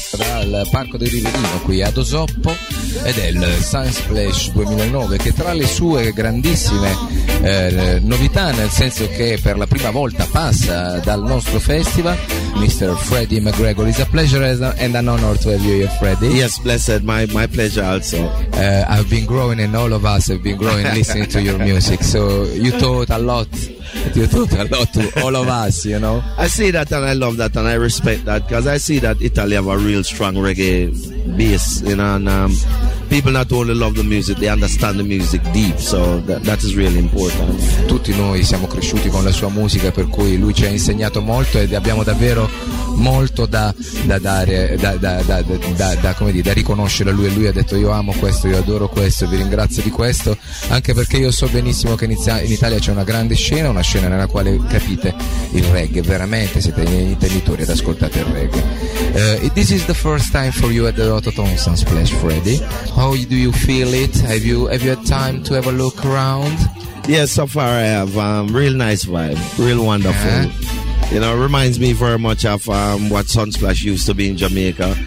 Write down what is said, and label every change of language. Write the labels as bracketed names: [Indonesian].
[Italian] Al Parco del Rivellino qui ad Osoppo ed è il Sunsplash 2009 che tra le sue grandissime novità, nel senso che per la prima volta passa dal nostro festival, Mr. [English] Freddie McGregor, it's a pleasure and an honor to have you here, Freddie. Yes, blessed, my pleasure also. I've been growing and all of us have been growing listening to your music, so you taught a lot. You taught a lot to all of us, you know. I see that and I love that and I respect that, because I see that Italy have a real strong reggae bass, you know, and people not only love the music, they understand the music deep, so that is really important. [Italian] Tutti noi siamo cresciuti con la sua musica, per cui lui ci ha insegnato molto ed abbiamo davvero molto da riconoscere a lui. E lui ha detto: io amo questo, io adoro questo, vi ringrazio di questo, anche perché io so benissimo che in Italia c'è una grande scena, una scena nella quale capite il reggae veramente, siete i intenditori ad ascoltare il reggae. [English] This is the first time for you at the Rototom Sunsplash, Freddie. How do you feel it? Have you had time to have a look around? Yes, so far I have. Real nice vibe, real wonderful. Yeah. You know, reminds me very much of what Sunsplash used to be in Jamaica.